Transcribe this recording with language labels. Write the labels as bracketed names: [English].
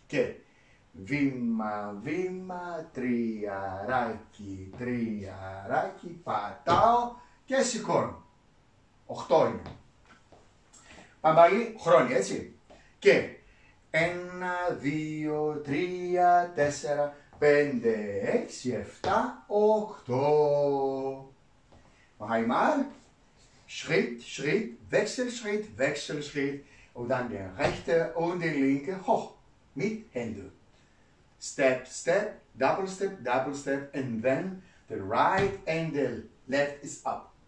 [Greek] Και βήμα, βήμα, τριαράκι, τριαράκι, πατάω και σηκώνω. Οχτώ είναι. Πάμε πάλι χρόνια, έτσι. Και ένα, δύο, τρία, τέσσερα, πέντε, έξι, εφτά, οχτώ. [German] Noch einmal, Schritt, Schritt, Wechselschritt, Wechselschritt und dann der rechte und der linke hoch mit Händen. [English] Step, step, double step, double step and then the right and the left is up.